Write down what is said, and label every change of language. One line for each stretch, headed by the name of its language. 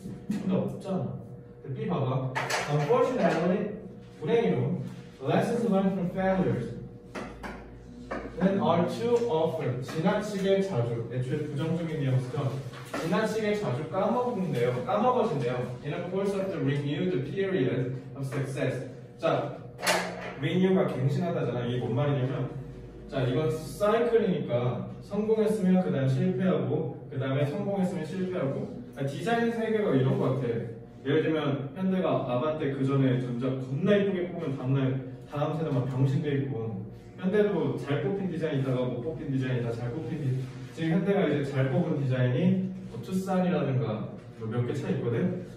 Korean: 근데 없잖아. 근데 B 봐봐. Unfortunately, 불행히도
English: Lessons learned from failures then are too often
Korean: 지나치게 자주 애초에 부정적인 내용이죠. 지나치게 자주 까먹는데요. 까먹어진대요.
English: In a course of the renewed period of success.
Korean: 자, renew가 갱신하다잖아. 이게 뭔 말이냐면 자, 이건 사이클이니까 성공했으면 그 다음 실패하고 그 다음에 성공했으면 실패하고 디자인 세계가 이런 것 같아. 예를 들면 현대가 아반떼 그 전에 전작 겁나 이쁘게 뽑으면 다음날 다음 세대 막 병신돼 있고 현대도 잘 뽑힌 디자인 있다가 못 뽑힌 디자인 있다가 잘 뽑힌 디자인 지금 현대가 이제 잘 뽑은 디자인이 뭐 투싼이라든가 뭐 몇 개 차 있거든?